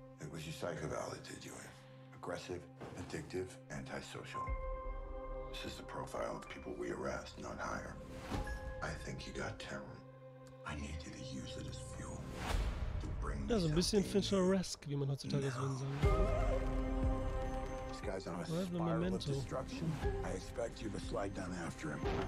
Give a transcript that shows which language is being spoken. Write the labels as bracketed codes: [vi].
[en] It was your psycho eval that did you in. Aggressive, addictive, antisocial. This is the profile of people we arrest, not hire. I think you got Terran. I need you to use it as fuel to bring me. [de] Ja, so ein bisschen Fincher-esque, wie man heutzutage so sagen. [en] This guy's on a spiral of destruction. I expect you to slide down after him.